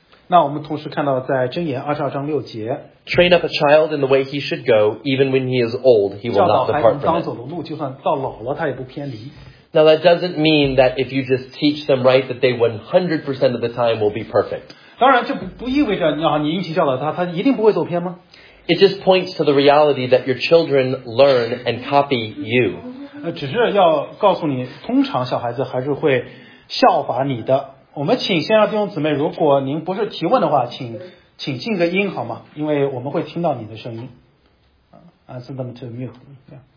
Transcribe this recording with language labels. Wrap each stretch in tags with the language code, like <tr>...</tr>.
<en>22:6, train up a child in the way he should go, even when he is old, he will not depart from it. Now that doesn't mean that if you just teach them right, that they 100% of the time will be perfect.</en> <zh>当然这不意味着你殷勤教导他，他一定不会走偏吗？</zh> <en>It just points to the reality that your children learn and copy you.</en> <zh>只是要告诉你，通常小孩子还是会效法你的。我们请线上弟兄姊妹，如果您不是提问的话，请静个音好吗？因为我们会听到你的声音。</zh> <en>Ask them to mute. Yeah.</en>